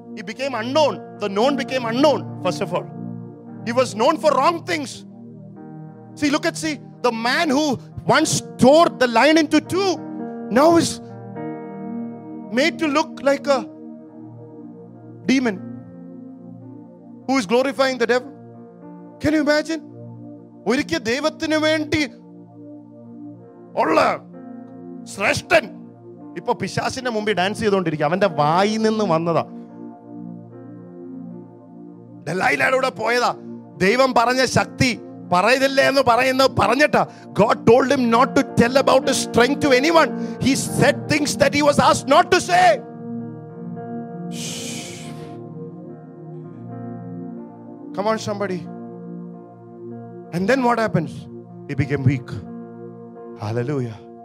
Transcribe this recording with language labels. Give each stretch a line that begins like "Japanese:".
English: He became unknown. The known became unknown, first of all. He was known for wrong things. See, look at, see, the man who once tore the lion into two, now is made to look like a demon who is glorifying the devil. Can you imagine?
Malayalam: ഒരിക്കൽ ദൈവത്തിന് വേണ്ടി ഉള്ള ശ്രേഷ്ഠൻ ഇപ്പൊ പിശാസിന്റെ മുമ്പിൽ dance ചെയ്തുകൊണ്ടിരിക്കുക. അവന്റെ വായിൽ നിന്ന് വന്നതാ, ഡെല്ലായിലൂടെ പോയതാ. ദൈവം പറഞ്ഞ ശക്തി പറയതില്ലേ എന്ന് പറയുന്നത് പറഞ്ഞിട്ടാ.
English: God told him not to tell about his strength to anyone. He said things that he was asked not to say. Come on, somebody. And then what happens? He became weak. Hallelujah.